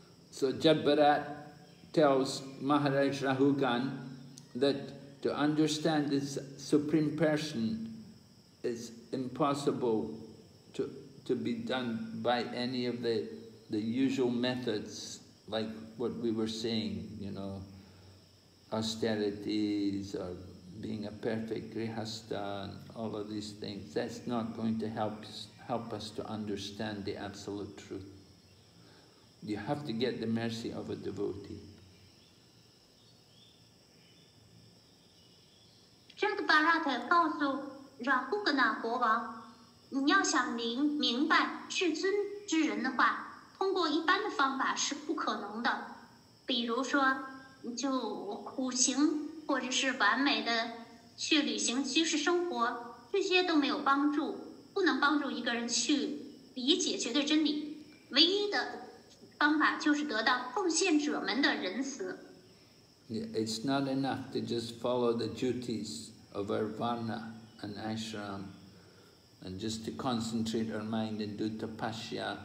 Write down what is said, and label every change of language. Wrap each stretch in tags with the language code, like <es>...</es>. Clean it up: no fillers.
<en>So Jabbarat tells Maharaj Rahugan that to understand this Supreme Person is impossible to be done by any of the usual methods, like what we were saying, you know, austerities or being a perfect grihastha and all of these things. That's not going to help us to understand the Absolute Truth. You have to get the mercy of a devotee.</en> <zh>Jagbarat 告诉 Rahugana 国王，你要想明白至尊之人的话，通过一般的方法是不可能的，比如说，就苦行或者是完美的去旅行居士生活，这些都没有帮助，不能帮助一个人去理解绝对真理。唯一的方法就是得到奉献者们的仁慈。</zh> <en>It's not enough to just follow the duties of our varna and ashram and just to concentrate our mind and do tapasya.</en>